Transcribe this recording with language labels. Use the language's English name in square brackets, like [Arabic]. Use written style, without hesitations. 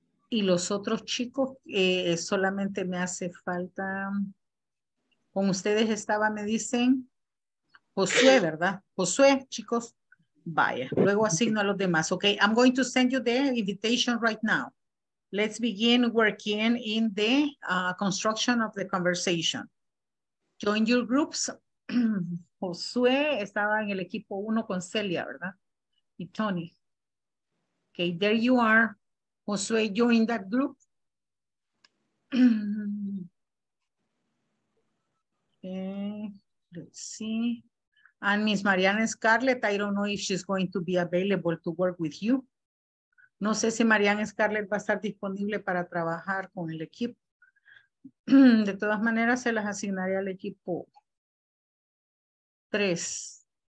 [Spanish] Y los otros chicos, solamente me hace falta, con ustedes estaba, me dicen, Josué, ¿verdad? Josué, chicos. Vaya, luego asigno a los demás. [English] Okay, I'm going to send you the invitation right now. Let's begin working in the construction of the conversation. Join your groups. [Spanish] Josué estaba en el equipo 1 con Celia, ¿verdad? Y Tony. [English] Okay, there you are. Josué, join that group. Okay, let's see. And Miss Mariana Scarlett, I don't know if she's going to be available to work with you. [Spanish] No sé si Mariana Scarlett va a estar disponible para trabajar con el equipo. De todas maneras, se las asignaré al equipo 3.